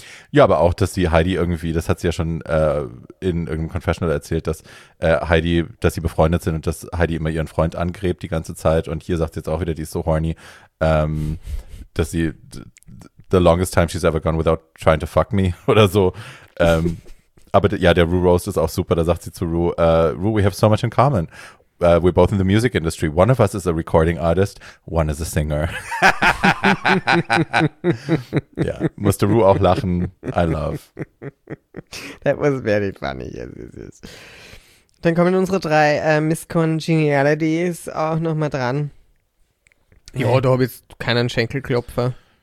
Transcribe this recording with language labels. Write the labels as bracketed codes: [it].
[de] Ja, aber auch, dass die Heidi irgendwie, das hat sie ja schon in irgendeinem Confessional erzählt, dass Heidi, dass sie befreundet sind und dass Heidi immer ihren Freund angräbt die ganze Zeit. Und hier sagt sie jetzt auch wieder, die ist so horny, dass sie, [en] the longest time she's ever gone without trying to fuck me [de] oder so. aber ja, der Ru Roast ist auch super, da sagt sie zu Ru, Ru, [en] we have so much in common. We're both in the music industry. One of us is a recording artist, one is a singer. [de] Ja, musste Ru auch lachen. [en] I love. That was very funny. Yes, yes, yes. [de] Dann kommen unsere drei Miss Congenialities auch nochmal dran. Ja, nee. Da habe ich keinen Schenkelklopfer